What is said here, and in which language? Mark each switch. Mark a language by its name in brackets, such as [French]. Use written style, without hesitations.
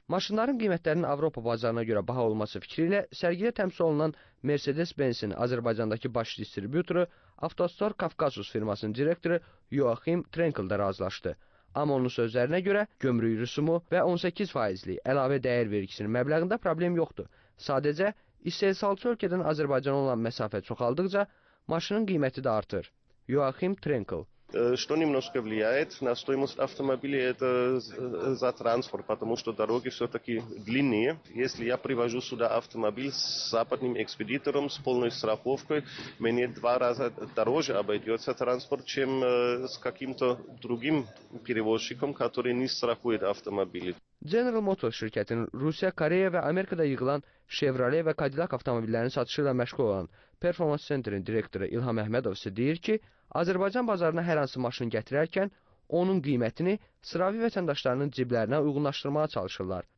[Azerbaijani] Maşınların qiymətlərinin Avropa bazarına görə baha olması fikri ilə sərgidə təmsil olunan Mercedes-Benz-in Azərbaycandakı baş distribyutoru Avtostor Kafkasus firmasının direktoru Joachim Trenkel də razılaşdı. Amma onun sözlərinə görə gömrük rüsumu və 18%-li əlavə dəyər vergisinin məbləğində problem yoxdur. Sadəcə, istehsalçı ölkədən Azərbaycana olan məsafə çoxaldıqca maşının qiyməti də artır. Joachim Trenkel. [Russian] Что немножко влияет на стоимость автомобиля, это за транспорт, потому что дороги все-таки длиннее. Если я привожу сюда автомобиль с западным экспедитором, с полной страховкой, мне два раза дороже обойдется транспорт, чем с каким-то другим перевозчиком, который не страхует автомобили. [Azerbaijani] General Motors şirkətinin Rusiya, Koreya və Amerikada yığılan Chevrolet və Cadillac avtomobillərinin satışı ilə məşğul olan Performance Center-in direktoru İlham Əhmədov isə deyir ki, Azərbaycan bazarına hər hansı maşın gətirərkən onun qiymətini sıravi vətəndaşlarının ciblərinə uyğunlaşdırmağa çalışırlar.